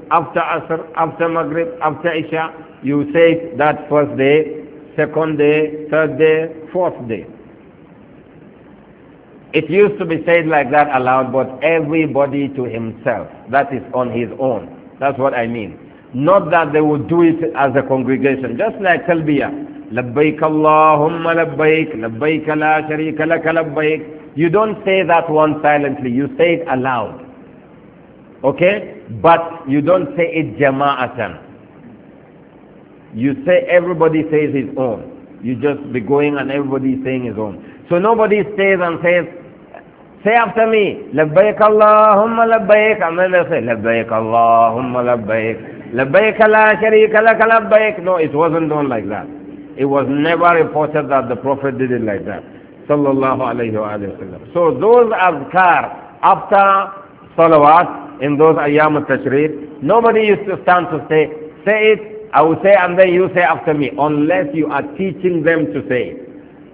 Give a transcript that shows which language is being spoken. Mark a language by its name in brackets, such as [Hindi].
[English] after Asr, after Maghrib, after Isha, you say that first day, second day, third day, fourth day. It used to be said like that aloud, but everybody to himself, that is on his own. That's what I mean. Not that they would do it as a congregation, just like Talbiyah. [Arabic] لبيك اللهم لبيك لبيك لا شريك لك لبيك. [English] You don't say that one silently, you say it aloud. Okay? But you don't say it jama'atan. You say everybody says his own. You just be going and everybody saying his own. So nobody stays and says, say after me, [Arabic] لبيك اللهم لبيك. [English] And then they say, [Arabic] لبيك اللهم لبيك لبيك لا شريك لك لبيك. [English] No, it wasn't done like that. It was never reported that the Prophet did it like that. Sallallahu alayhi wa sallam. So those azkar after salawat in those ayam al-tashreeq, nobody used to stand to say, say it, I will say, and then you say after me, unless you are teaching them to say it.